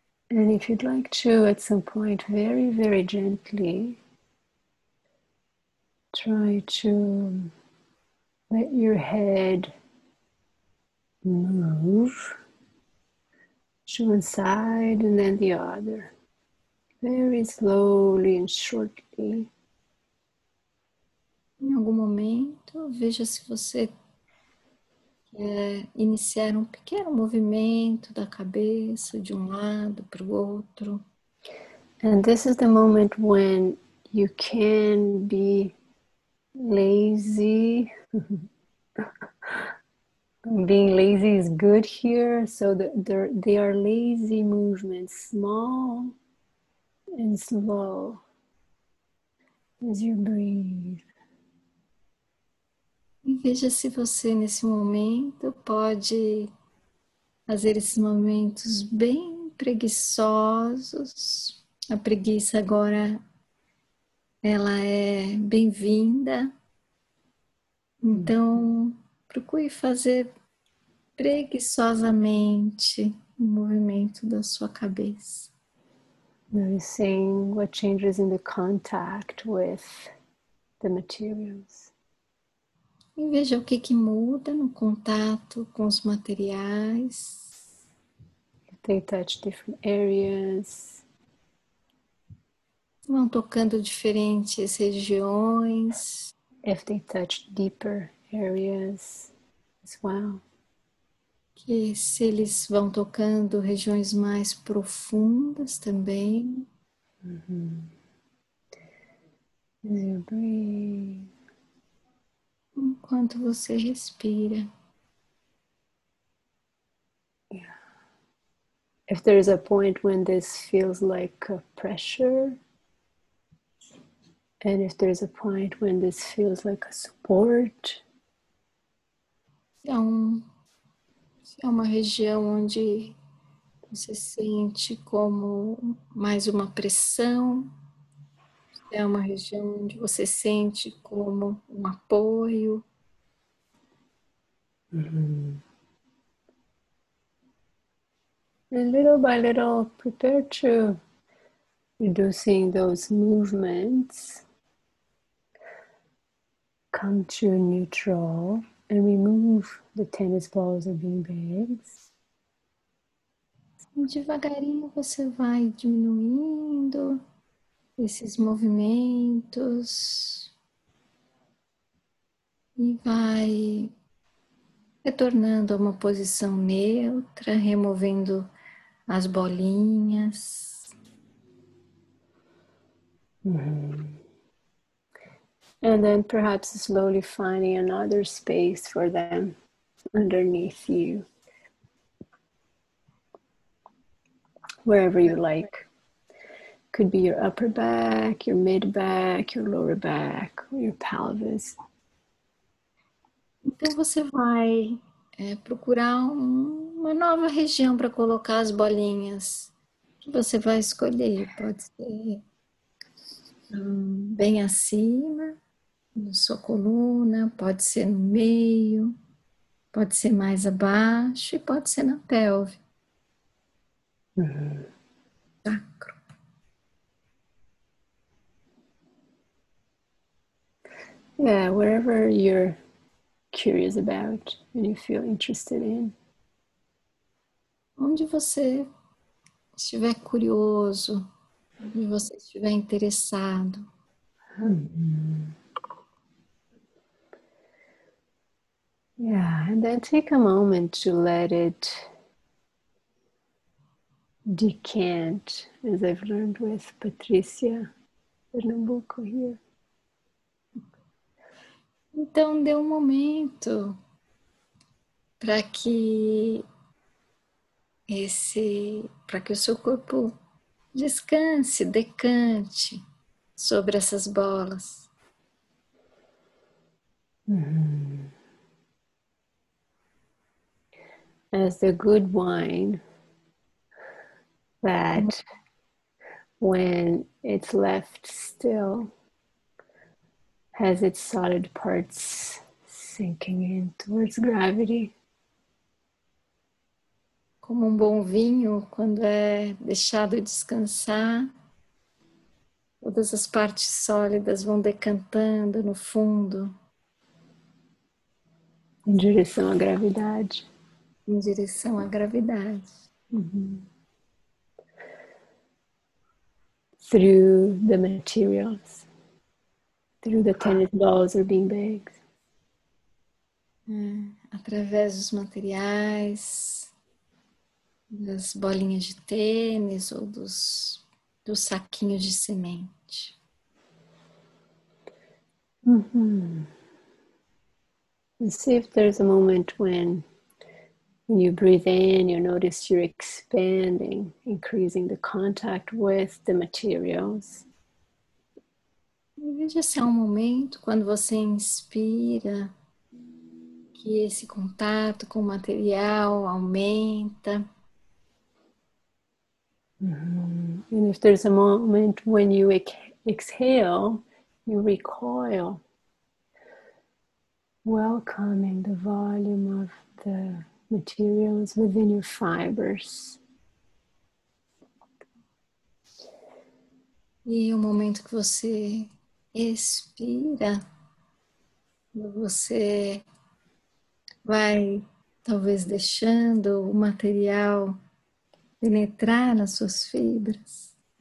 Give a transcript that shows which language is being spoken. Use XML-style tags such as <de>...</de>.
<en>And if you'd like to, at some point, very, very gently, try to let your head move to one side and then the other, very slowly and shortly.</en> <pt>Em algum momento, veja se você quer iniciar um pequeno movimento da cabeça de um lado para o outro.</pt> <en>And this is the moment when you can be lazy. Being lazy is good here. So they are lazy movements, small and slow as you breathe.</en> <pt>E veja se você nesse momento pode fazer esses movimentos bem preguiçosos. A preguiça agora, ela é bem-vinda. Então, procure fazer preguiçosamente o movimento da sua cabeça.</pt> <en>Noticing what changes in the contact with the materials.</en> <pt>E veja o que, que muda no contato com os materiais.</pt> <en>If they touch different areas.</en> <pt>Vão tocando diferentes regiões.</pt> <en>If they touch deeper areas as well.</en> <pt>Que se eles vão tocando regiões mais profundas também.</pt> <en>Uhum. You breathe.</en> <pt>Enquanto você respira. Yeah.</pt> <en>If there is a point when this feels like a pressure, and if there is a point when this feels like a support.</en> <pt>Se é uma região onde você sente como mais uma pressão, se é uma região onde você sente como um apoio. Mm-hmm.</pt> <en>And little by little, prepare to reducing those movements. Come to neutral. And remove the tennis balls and beanbags.</en> <pt>Devagarinho você vai diminuindo esses movimentos e vai retornando a uma posição neutra, removendo as bolinhas. Uhum.</pt> <en>And then perhaps slowly finding another space for them underneath you, wherever you like. Could be your upper back, your mid back, your lower back, your pelvis.</en> <pt>Então você vai procurar uma nova região para colocar as bolinhas. Você vai escolher, pode ser bem acima. Na sua coluna, pode ser no meio, pode ser mais abaixo e pode ser na pelve. Uhum. Sacro.</pt> <en>Yeah, whatever you're curious about and you feel interested in.</en> <pt>Onde você estiver curioso, onde você estiver interessado.</pt> <en>Yeah, and then take a moment to let it decant, as I've learned with Patricia Pernambuco here.</en> <pt>Então, dê um momento para que esse, para que o seu corpo descanse, decante sobre essas bolas. As the good wine that when it's left still has its solid parts sinking in towards gravity. Como um bom vinho, quando é deixado descansar, todas as partes sólidas vão decantando no fundo. Em direção à gravidade. Em direção à gravidade.</pt> <en>Through the materials. Through the tennis balls or beanbags.</en> <pt>Através dos materiais, das bolinhas de tênis ou dos saquinhos de semente.</pt> <en>And see if there's a moment when you breathe in, you notice you're expanding, increasing the contact with the materials.</en> <pt>E veja se é um momento quando você inspira, que esse contato com o material aumenta.</pt> <en>And if there's a moment when you exhale, you recoil, welcoming the volume of the materials within your fibers.</en> <pt>E o momento que você expira, você vai talvez deixando o material penetrar nas suas fibras.</pt>